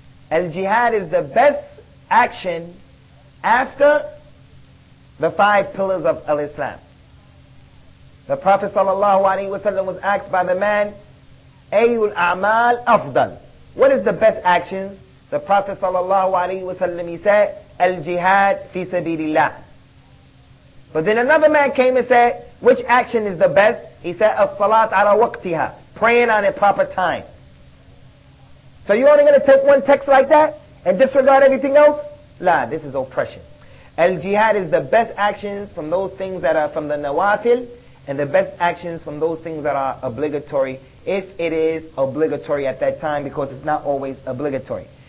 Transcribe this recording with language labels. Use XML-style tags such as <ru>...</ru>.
<en>Al-jihad is the best action after the five pillars of Al-Islam. The Prophet ﷺ was asked by the man,</en> <ar>أَيُّ الْأَعْمَالِ أَفْضَلِ.</ar> <en>What is the best actions? The Prophet</en> <ar>صلى الله عليه وسلم said, الجهاد في سبيل الله.</ar> <en>But then another man came and said, which action is the best? He said,</en> <ar>الصلاة على وقتها,</ar> <en>praying on a proper time. So you're only going to take one text like that and disregard everything else? La, this is oppression. الجهاد is the best actions from those things that are from the نوافل, and the best actions from those things that are obligatory, if it is obligatory at that time, because it's not always obligatory.</en>